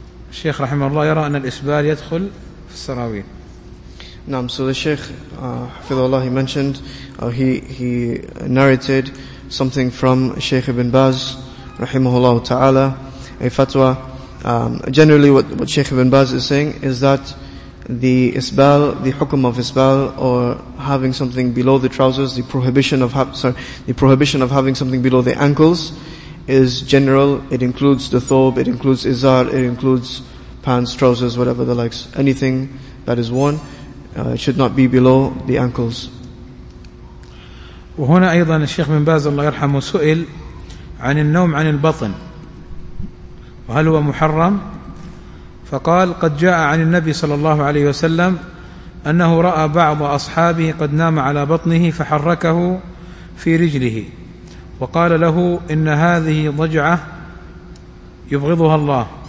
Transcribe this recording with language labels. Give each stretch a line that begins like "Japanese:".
Arabic: الشيخ رحمه الله يرى أن الإسبال يدخل في السراويل. نعم.
English: So the Sheikh
Arabic: حفظه الله,
English: he mentioned he narrated something from Sheikh Ibn Baz
Arabic: رحمه الله تعالى,
English: a fatwa. Generally what Sheikh Ibn Baz is saying is that the isbal, the hukum of isbal, or having something below the trousers, the prohibition of having something below the ankles, is general. It includes the thawb, it includes izar, it includes pants, trousers, whatever the likes. Anything that is worn should not be below the ankles.
Arabic: وهنا أيضا الشيخ بن باز الله يرحمه سئل عن النوم عن البطن وهل هو محرم؟ فقال قد جاء عن النبي صلى الله عليه وسلم أنه رأى بعض أصحابه قد نام على بطنه فحركه في رجله وقال له إن هذه ضجعة يبغضها الله.